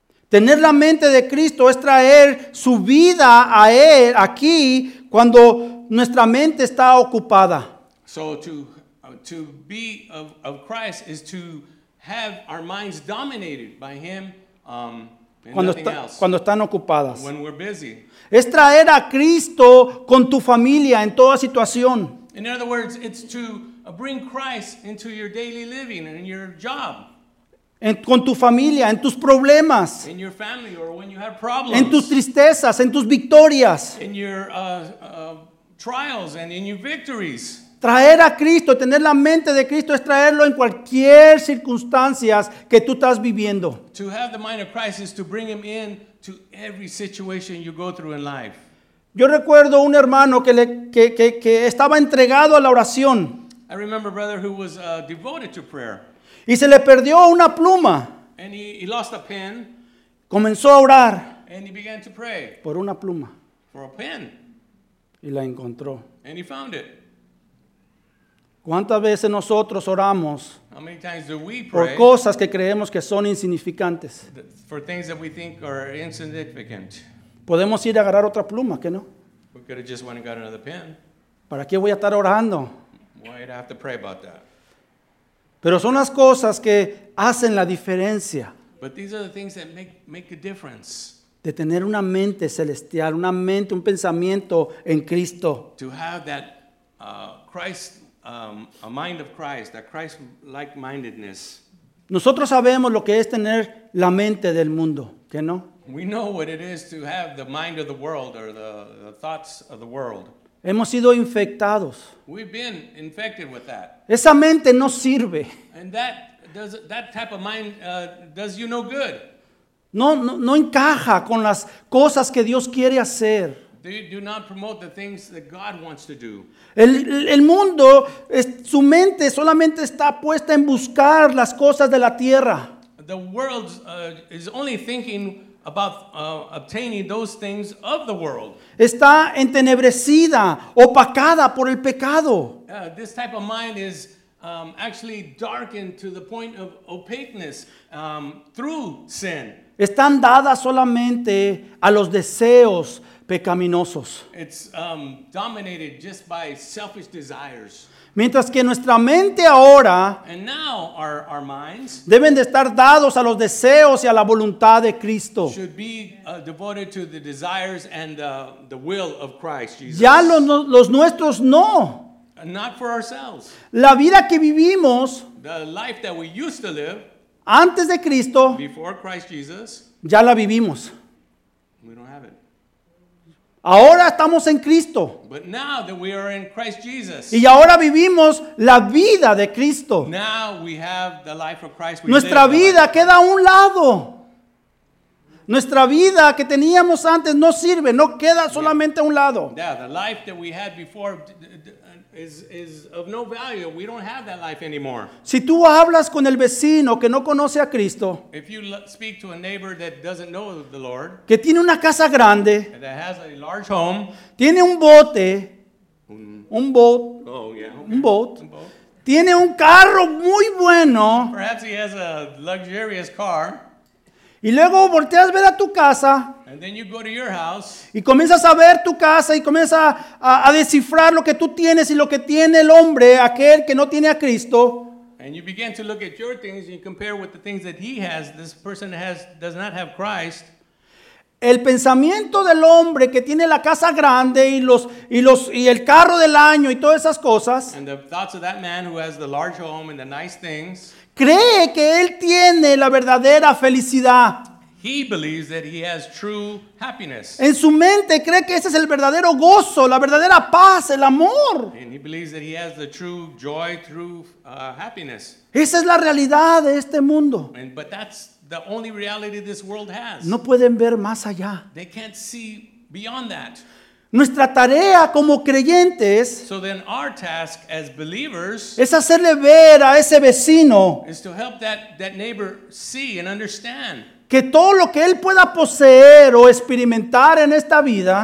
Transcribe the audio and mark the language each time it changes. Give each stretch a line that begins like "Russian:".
Spanish: Tener la mente de Cristo es traer su vida a Él aquí cuando nuestra mente está ocupada.
English: So to be of Christ is to have our minds dominated by Him
Spanish: cuando están ocupadas.
English: When we're busy.
Spanish: Es traer a Cristo con tu familia en toda situación.
English: In other words, it's to bring Christ into your daily living and your job.
Spanish: Con tu familia, en tus problemas.
English: In your family or when you have problems.
Spanish: En tus tristezas, en tus victorias.
English: In your trials and in your victories.
Spanish: Traer a Cristo, tener la mente de Cristo, es traerlo en cualquier circunstancia que tú estás viviendo.
English: To have the mind of Christ is to bring Him in to every situation you go through in life.
Spanish: Yo recuerdo un hermano que estaba entregado a la oración.
English: I remember a brother who was devoted to prayer.
Spanish: Y se le perdió una pluma.
English: And he lost a pen.
Spanish: Comenzó a orar.
English: And he began to pray.
Spanish: Por una pluma.
English: For a pen.
Spanish: Y la encontró.
English: And he found it.
Spanish: ¿Cuántas veces nosotros oramos por cosas que creemos que son insignificantes?
English: For things that we think are insignificant.
Spanish: Podemos ir a agarrar otra pluma, ¿qué no?
English: We could have just went and got another pen.
Spanish: ¿Para qué voy a estar orando?
English: Why do I have to pray about that?
Spanish: Pero son las cosas que hacen la diferencia.
English: But these are the things that make a difference.
Spanish: De tener una mente celestial, una mente, un pensamiento en Cristo.
English: To have that Christ, a mind of Christ, that Christ-like-mindedness.
Spanish: Nosotros sabemos lo que es tener la mente del mundo, ¿qué no?
English: We know what it is to have the mind of the world or the thoughts of the world.
Spanish: Hemos sido infectados.
English: We've been infected with that.
Spanish: Esa mente no sirve.
English: And that type of mind does you no good.
Spanish: No encaja con las cosas que Dios quiere hacer.
English: They do not promote the things that God wants to do.
Spanish: El mundo, su mente solamente está puesta en buscar las cosas de la tierra.
English: The world is only thinking about obtaining those things of the world.
Spanish: Está entenebrecida, opacada por el pecado.
English: This type of mind is actually darkened to the point of opaqueness through sin.
Spanish: Están dadas solamente a los deseos pecaminosos.
English: It's dominated just by selfish desires.
Spanish: Mientras que nuestra mente ahora
English: our minds
Spanish: deben de estar dados a los deseos y a la voluntad de Cristo.
English: Should be devoted to the desires and the will of Christ Jesus.
Spanish: Ya los nuestros no.
English: Not for ourselves.
Spanish: La vida que vivimos,
English: the life that we used to live,
Spanish: antes de Cristo,
English: before Christ Jesus,
Spanish: ya la vivimos.
English: We don't have it.
Spanish: Ahora estamos en Cristo.
English: But now that we are in Christ Jesus,
Spanish: y ahora vivimos la vida de Cristo.
English: Now we have the life of Christ.
Spanish: Nuestra vida queda a un lado. Nuestra vida que teníamos antes no sirve, no queda solamente a un lado.
English: Yeah, the life that we had before is of no value. We don't have that life anymore.
Spanish: Si tú hablas con el vecino que no conoce a Cristo,
English: if you speak to a neighbor that doesn't know the Lord,
Spanish: que tiene una casa grande,
English: that has a large home,
Spanish: tiene un bote, un boat. Tiene un carro muy bueno,
English: perhaps he has a luxurious car,
Spanish: y luego volteas a ver a tu casa.
English: And then you go to your house.
Spanish: Y comienzas a ver tu casa y comienzas a descifrar lo que tú tienes y lo que tiene el hombre, aquel que no tiene a Cristo.
English: And you begin to look at your things and you compare with the things that he has. This person does not have Christ.
Spanish: El pensamiento del hombre que tiene la casa grande y el carro del año y todas esas cosas.
English: And the thoughts of that man who has the large home and the nice things.
Spanish: Cree que él tiene la verdadera felicidad.
English: He believes that he has true happiness.
Spanish: En su mente cree que ese es el verdadero gozo, la verdadera paz, el amor.
English: And he believes that he has the true joy, true happiness.
Spanish: Esa es la realidad de este mundo.
English: But that's the only reality this world has.
Spanish: No pueden ver más allá.
English: They can't see beyond that.
Spanish: Nuestra tarea como creyentes,
English: so then our task as believers,
Spanish: es hacerle ver a ese vecino,
English: is to help that neighbor see and understand,
Spanish: que todo lo que él pueda poseer o experimentar en esta vida,